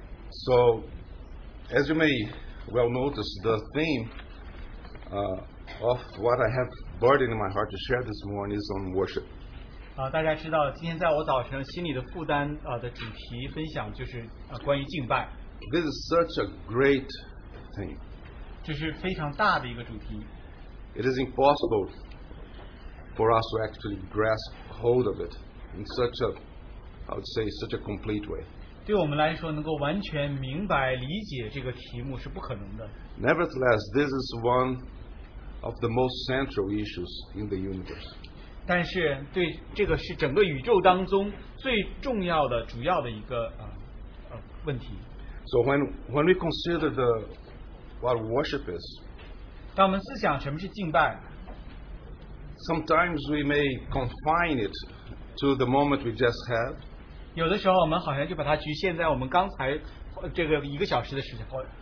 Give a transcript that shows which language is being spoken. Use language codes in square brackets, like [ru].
[en] So, as you may well notice, the theme of what I have burdened in my heart to share this morning is on worship. [zh] 大家知道今天在我早晨心里的负担 的主题分享就是 关于敬拜。 [en] This is such a great thing. [zh] 这是非常大的一个主题。 [en] It is impossible for us to actually grasp hold of it in such a, I would say, such a complete way. [zh] 对我们来说, 能够完全明白, 理解这个题目是不可能的。 [en] Nevertheless, this is one of the most central issues in the universe. [zh] 但是, 对, 这个是整个宇宙当中最重要的, 主要的一个, [en] So when we consider the what worship is, [zh] 当我们思想什么是敬拜, [en] sometimes we may confine it to the moment we just had. [zh] 有的时候我们好像就把它局限在我们刚才这个一个小时的时候,